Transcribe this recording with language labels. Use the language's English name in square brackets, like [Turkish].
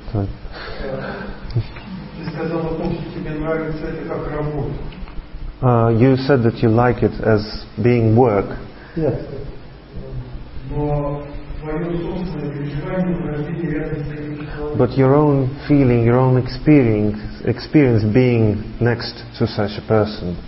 [Russian] Ты сказал о том, что тебе нравится это как работа. [English] You said that you like it as being work. Yes. [Russian] Но твое собственное переживание в развитии рядом с этим. [English] But your own feeling, your own experience being next to such a person.